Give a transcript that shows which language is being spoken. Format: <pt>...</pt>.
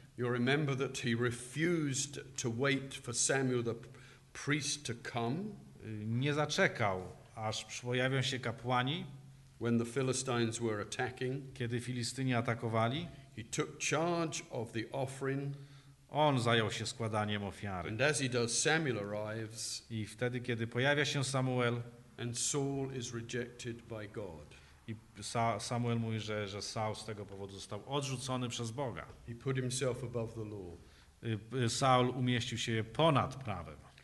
<en>You remember that he refused to wait for Samuel the priest to come.</en> <pl>Nie zaczekał, aż pojawią się kapłani.</pl> <en>When the Philistines were attacking,</en> <pl>kiedy Filistyni atakowali,</pl> <en>he took charge of the offering.</en> <pl>On zajął się składaniem ofiary.</pl> <en>And as he does, Samuel arrives,</en> <pl>i wtedy, kiedy pojawia się Samuel,</pl> <en>and Saul is rejected by God.</en> <pl>I Samuel mówi, że Saul z tego powodu został odrzucony przez Boga.</pl> <en>He put himself above the law.</en> <pl>Saul umieścił się ponad prawem.</pl>